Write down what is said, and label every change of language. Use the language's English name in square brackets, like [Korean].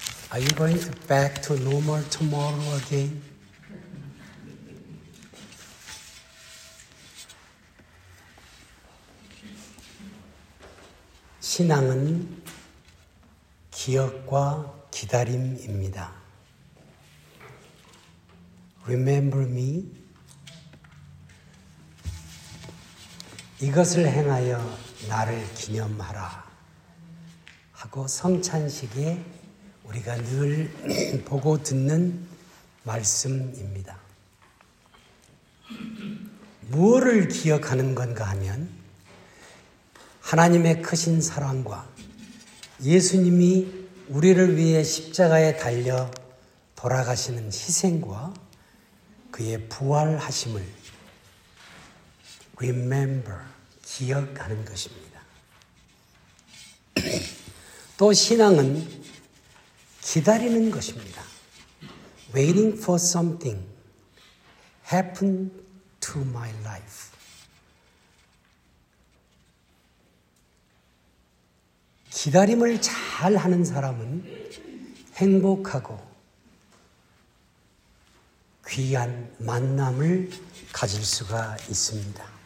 [English] Are you going back to normal tomorrow again? [Korean] (웃음) 신앙은 기억과 기다림입니다. [English] Remember me. [Korean] 이것을 행하여 나를 기념하라 하고 성찬식에 우리가 늘 보고 듣는 말씀입니다. 무엇을 기억하는 건가 하면 하나님의 크신 사랑과 예수님이 우리를 위해 십자가에 달려 돌아가시는 희생과 그의 부활하심을 remember 기억하는 것입니다. 또 신앙은 기다리는 것입니다. [English] Waiting for something happen to my life. [Korean] 기다림을 잘 하는 사람은 행복하고 귀한 만남을 가질 수가 있습니다.